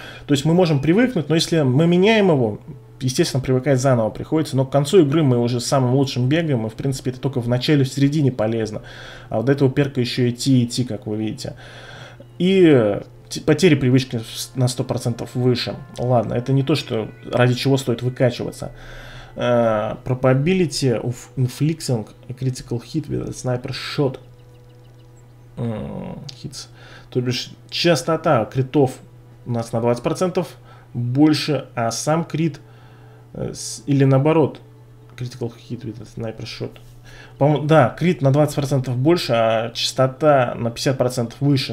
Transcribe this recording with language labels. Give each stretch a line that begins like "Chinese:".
Russian: То есть мы можем привыкнуть, но если мы меняем его, естественно, привыкать заново приходится. Но к концу игры мы уже самым лучшим бегаем, и в принципе это только в начале, в середине полезно. А вот до этого перка еще идти, как вы видите. И потери привычки на 100% выше. Ладно, это не то, что ради чего стоит выкачиваться.
English: Probability of inflicting a critical hit with a sniper shot. Hits.
Russian: То бишь, частота критов у нас на 20% больше, а сам крит... или наоборот,
English: critical hit with a sniper shot.
Russian: Да, крит на 20% больше, а частота на 50% выше.